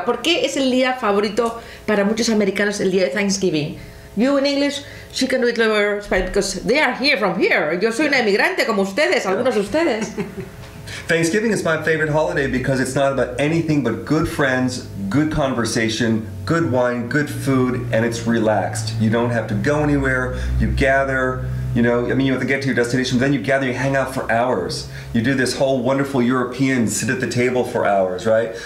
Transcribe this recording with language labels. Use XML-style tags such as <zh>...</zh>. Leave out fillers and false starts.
<es>¿Por qué es el día favorito para muchos americanos el día de Thanksgiving?</es> <en>Thanksgiving. You in English, she can do it lower Spanish because they are here from here.</en> <es>Yo soy una emigrante como ustedes, algunos de ustedes.</es> <en>Thanksgiving is my favorite holiday because it's not about anything but good friends, good conversation, good wine, good food, and it's relaxed. You don't have to go anywhere, you gather. You know, I mean, you have to get to your destination, but then you gather, you hang out for hours. You do this whole wonderful European sit at the table for hours, right?</en>